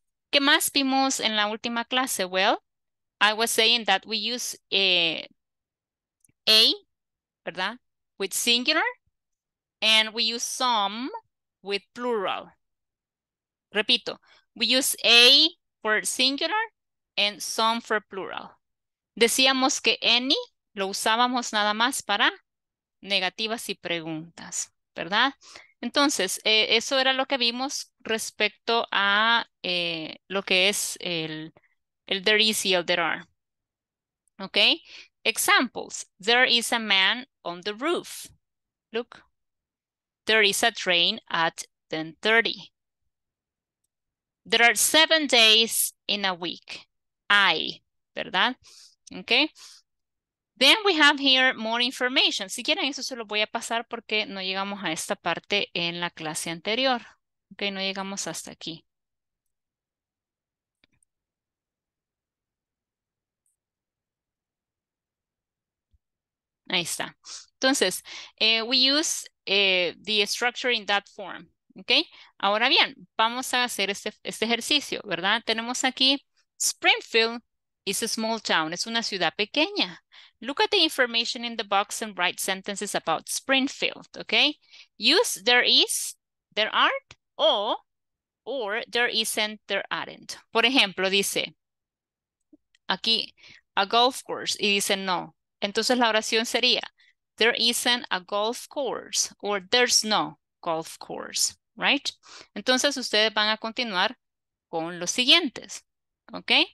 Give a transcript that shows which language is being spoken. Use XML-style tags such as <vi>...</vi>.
<es>¿Qué más vimos en la última clase?</es> <en>Well, I was saying that we use a, ¿verdad? With singular. And we use some with plural. Repito, we use a for singular and some for plural.</en> <es>Decíamos que any lo usábamos nada más para negativas y preguntas, ¿verdad? Entonces, eso era lo que vimos respecto a lo que es el there is y el there are. ¿Ok? Examples.</es> <en>There is a man on the roof. Look. There is a train at 10:30. There are 7 days in a week. Hay, ¿verdad? Okay. Then we have here more information.</en> <es>Si quieren, eso se lo voy a pasar porque no llegamos a esta parte en la clase anterior. Okay, no llegamos hasta aquí. Ahí está.</es> <en>Entonces, we use the structure in that form.</en> <es>Ok, ahora bien, vamos a hacer este ejercicio, ¿verdad? Tenemos aquí,</es> <en>Springfield is a small town,</en> <es>es una ciudad pequeña.</es> <en>Look at the information in the box and write sentences about Springfield, ¿ok? Use there is, there aren't, or there isn't, there aren't.</en> <es>Por ejemplo, dice, aquí,</es> <en>a golf course,</en> <es>y dice no. Entonces la oración sería,</es> <en>there isn't a golf course, or there's no golf course. Right?</en> <es>Entonces ustedes van a continuar con los siguientes. ¿Ok?</es>